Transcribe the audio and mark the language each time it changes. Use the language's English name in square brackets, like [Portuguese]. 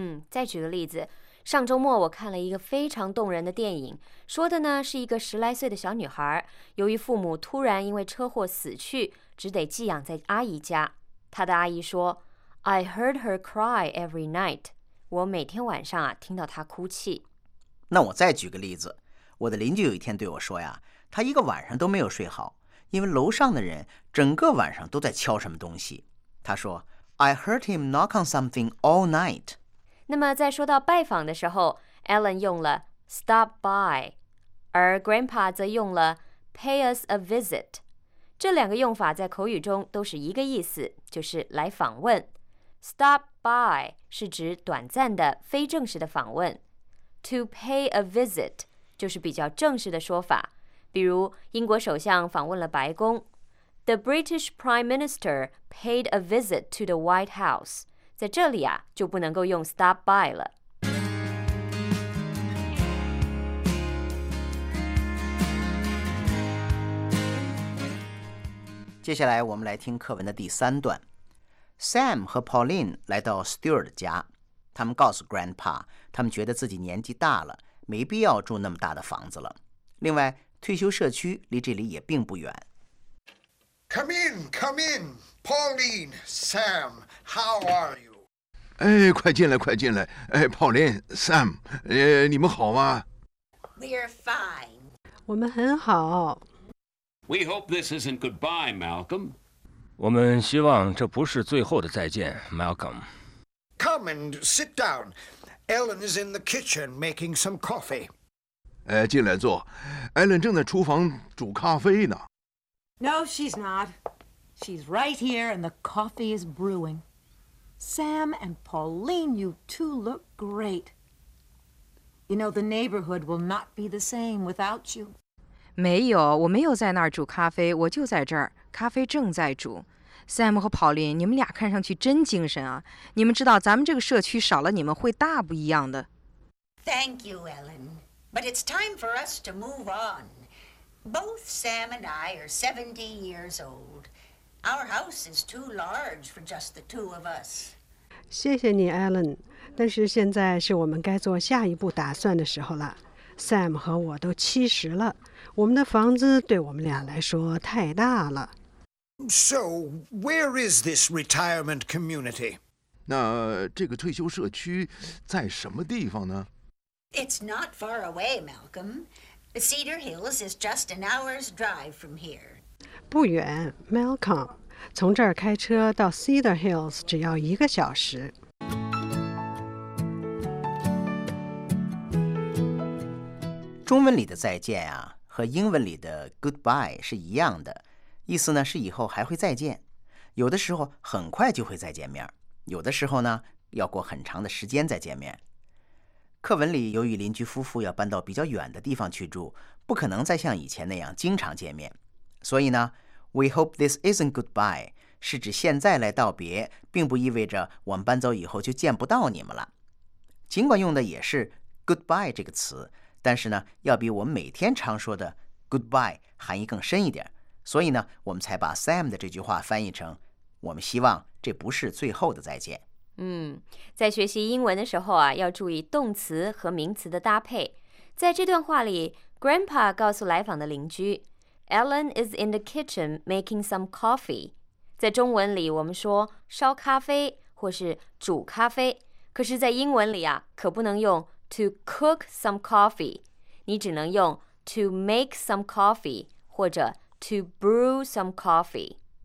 [Chinese] 再举个例子，上周末我看了一个非常动人的电影，说的呢是一个十来岁的小女孩，由于父母突然因为车祸死去，只得寄养在阿姨家。她的阿姨说 [English] I heard her cry every night. [Chinese] 我每天晚上啊听到她哭泣。那我再举个例子，我的邻居有一天对我说呀，她一个晚上都没有睡好，因为楼上的人整个晚上都在敲什么东西。她说 [English] I heard him knock on something all night. [Chinese] 那么在说到拜访的时候， Alan 用了 stop by， 而 Grandpa 则用了 [English] pay us a visit。 [Chinese] 这两个用法在口语中都是一个意思，就是来访问。 stop by 是指短暂的非正式的访问， to pay a visit 就是比较正式的说法。比如英国首相访问了白宫， [English] The British Prime Minister paid a visit to the White House。 [Chinese] 在这里啊，就不能够用 stop by 了。接下来我们来听课文的第三段。Sam 和 Pauline 来到 Stuart 家，他们告诉 Grandpa 他们觉得自己年纪大了，没必要住那么大的房子了，另外退休社区离这里也并不远。 [English] Come in, come in, Pauline, Sam, how are you? [Chinese] 哎，快进来，快进来！哎，宝林 ，Sam， 你们好吗 [English] ？We're fine. [Chinese] 我们很好。 [English] We hope this isn't goodbye, Malcolm. [Chinese] 我们希望这不是最后的再见 ，Malcolm. [English] Come and sit down. Ellen is in the kitchen making some coffee. [Chinese] 哎，进来坐。 Ellen 正在厨房煮咖啡呢。 [English] No, she's not. She's right here, and the coffee is brewing. Sam and Pauline, you two look great. You know, the neighborhood will not be the same without you. [Chinese] 没有，我没有在那儿煮咖啡，我就在这儿，咖啡正在煮。 Sam 和 Pauline, 你们俩看上去真精神啊。你们知道咱们这个社区少了你们会大不一样的。 [English] Thank you, Ellen. But it's time for us to move on. Both Sam and I are 70 years old. Our house is too large for just the two of us. [Chinese] 谢谢你 ,Ellen. 但是现在是我们该做下一步打算的时候了。 Sam 和我都七十了。我们的房子对我们俩来说太大了。 [English] So, where is this retirement community? [Chinese] 那这个退休社区在什么地方呢? [English] It's not far away, Malcolm. Cedar Hills is just an hour's drive from here. [Chinese] 不远, Malcolm. 从这儿开车到 Cedar Hills 只要一个小时。中文里的再见啊，和英文里的 goodbye 是一样的。意思呢是以后还会再见，有的时候很快就会再见面，有的时候呢要过很长的时间再见面。课文里由于邻居夫妇要搬到比较远的地方去住，不可能再像以前那样经常见面，所以呢 [English] We hope this isn't goodbye [Chinese] 是指现在来道别，并不意味着我们搬走以后就见不到你们了。尽管用的也是 goodbye 这个词，但是呢要比我们每天常说的 goodbye 含义更深一点，所以呢我们才把 Sam 的这句话翻译成我们希望这不是最后的再见。嗯，在学习英文的时候啊，要注意动词和名词的搭配。在这段话里 Grandpa 告诉来访的邻居 [English] Ellen is in the kitchen making some coffee。 [Chinese] 在中文里我们说烧咖啡或是煮咖啡，可是在英文里啊，可不能用 [English] to cook some coffee， [Chinese] 你只能用 [English] to make some coffee [Chinese] 或者 [English] To brew some coffee.